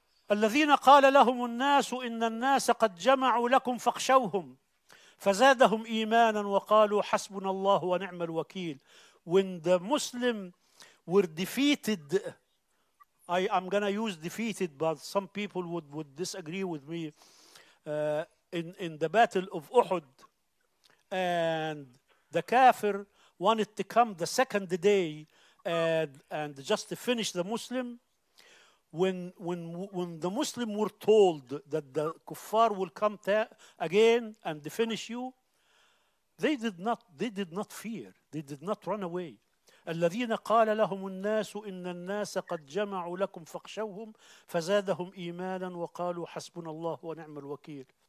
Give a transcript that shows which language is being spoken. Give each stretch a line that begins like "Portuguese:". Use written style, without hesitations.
Arabic: الذين قال لهم الناس إن الناس قد جمعوا لكم فاخشوهم فزادهم إيمانا وقالوا حسبنا الله ونعم الوكيل.
English: When the Muslim were defeated, I'm gonna use defeated, but some people would disagree with me, in the battle of Uhud, and the kafir wanted to come the second day and just to finish the Muslim. When the Muslim were told that the kuffar will come again and finish you, they did not fear. They did not run away.
Arabic: الذين قال لهم الناس إن الناس قد جمعوا لكم فخشوهم فزادهم إيمانا وقالوا حسبنا الله ونعم الوكيل.